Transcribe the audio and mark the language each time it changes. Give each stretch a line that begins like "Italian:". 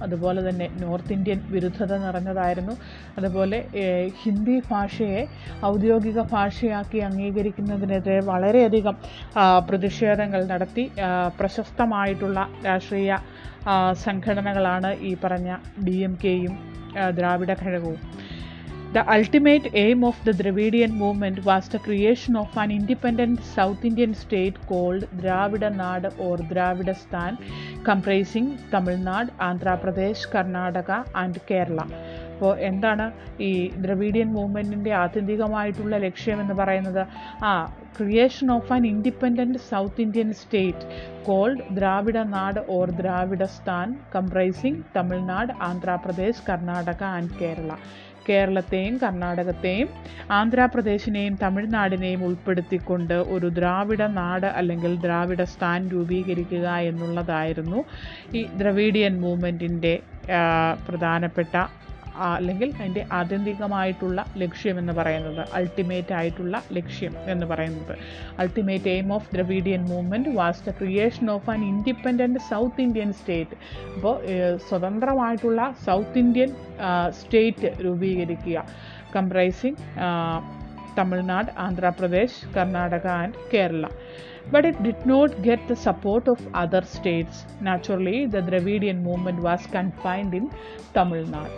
Malayalam: അതുപോലെ തന്നെ north Indian വിരുദ്ധത നിറഞ്ഞതായിരുന്നു. അതുപോലെ ഹിന്ദി ഭാഷയെ ഔദ്യോഗിക ഭാഷയാക്കി അംഗീകരിക്കുന്നതിനെതിരെ വളരെയധികം പ്രതിഷേധങ്ങൾ നടത്തി പ്രശസ്തമായിട്ടുള്ള രാഷ്ട്രീയ സംഘടനകളാണ് ഈ പറഞ്ഞ ഡി എം കെയും ദ്രാവിഡ കഴകവും.
English: The ultimate aim of the Dravidian movement was the creation of an independent South Indian state called Dravida Nad or Dravidasthan, comprising Tamil Nadu, Andhra Pradesh, Karnataka and Kerala.
Malayalam: അപ്പോൾ എന്താണ് ഈ Dravidian മൂവ്മെൻറ്റിൻ്റെ ആത്യന്തികമായിട്ടുള്ള ലക്ഷ്യമെന്ന് പറയുന്നത്?
English: Creation of an independent South Indian state called Dravida Nadu or Dravidasthan comprising Tamil Nadu Andhra Pradesh Karnataka and Kerala.
Malayalam: കേരളത്തെയും കർണാടകത്തെയും ആന്ധ്രാപ്രദേശിനെയും തമിഴ്നാടിനെയും ഉൾപ്പെടുത്തിക്കൊണ്ട് ഒരു ദ്രാവിഡ നാട് അല്ലെങ്കിൽ ദ്രാവിഡസ്ഥാൻ രൂപീകരിക്കുക എന്നുള്ളതായിരുന്നു ഈ ദ്രവീഡിയൻ മൂവ്മെൻറ്റിൻ്റെ പ്രധാനപ്പെട്ട അല്ലെങ്കിൽ അതിൻ്റെ ആത്യന്തികമായിട്ടുള്ള ലക്ഷ്യം എന്ന് പറയുന്നത്. അൾട്ടിമേറ്റ് ആയിട്ടുള്ള ലക്ഷ്യം എന്ന് പറയുന്നത്,
English: Ultimate aim of Dravidian movement was the creation of an independent South Indian state.
Malayalam: അപ്പോൾ സ്വതന്ത്രമായിട്ടുള്ള south Indian state രൂപീകരിക്കുക,
English: Comprising Tamil Nadu Andhra Pradesh Karnataka and Kerala. But it did not get the support of other states. Naturally, the Dravidian movement was confined in Tamil Nadu.